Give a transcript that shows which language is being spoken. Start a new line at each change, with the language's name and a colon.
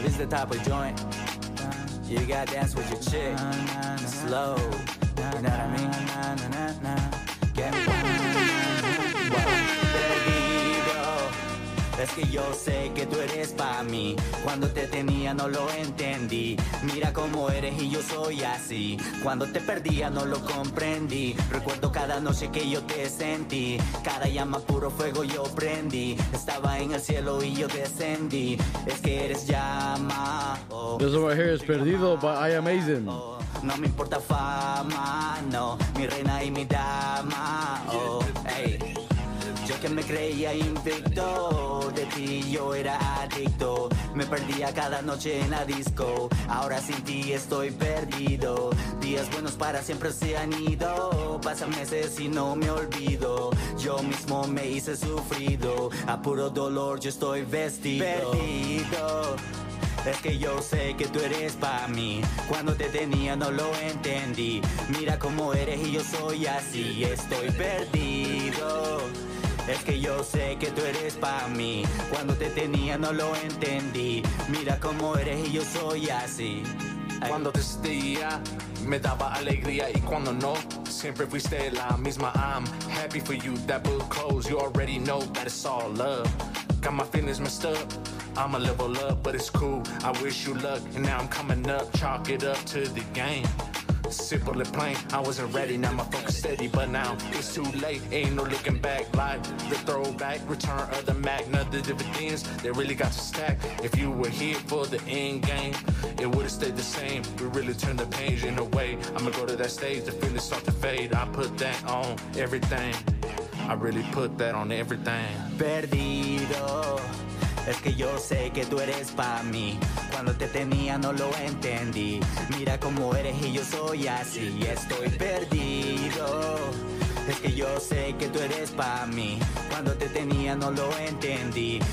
English: Type of joint, you gotta dance with your chick, slow, you know what I mean? Get me one,
Spanish: perdido, es que yo sé que tú eres pa' mí, cuando te tenía no lo entendí, mira cómo eres y yo soy así, cuando te perdía no lo comprendí, recuerdo cada noche que yo te sentí, cada llama puro fuego yo prendí, estaba en el cielo y yo descendí, es que eres llama.
English: This one right here is Perdido by I Am Azen.
Spanish: No me importa fama, no, mi reina y mi dama, oh, hey. Yo que me creía invicto. De ti yo era adicto. Me perdía cada noche en la disco. Ahora sin ti estoy perdido. Días buenos para siempre se han ido. Pasan meses y no me olvido. Yo mismo me hice sufrido. A puro dolor yo estoy vestido. Perdido. Es que yo sé que tú eres para mí. Cuando te tenía no lo entendí. Mira cómo eres y yo soy así. Estoy perdido. Es que yo sé que tú eres para mí. Cuando te tenía no lo entendí. Mira cómo eres y yo soy así. Ay. Cuando te sentía me daba alegría y cuando no siempre fuiste la misma.
English: I'm happy for you, that book closed. You already know that it's all love. Got my feelings messed up. I'ma level up, but it's cool. I wish you luck. And now I'm coming up. Chalk it up to the game. Simple and plain. I wasn't ready. Now my focus steady. But now it's too late. Ain't no looking back. Like the throwback. Return of the Mac. None of the dividends. They really got to stack. If you were here for the end game, it would've stayed the same. We really turned the page. In a way, I'ma go to that stage. The feelings start to fade. I put that on everything. I really put that on everything.
Spanish: Perdido. Es que yo sé que tú eres pa' mí. Cuando te tenía no lo entendí. Mira cómo eres y yo soy así. Estoy perdido. Es que yo sé que tú eres pa' mí. Cuando te tenía no lo entendí.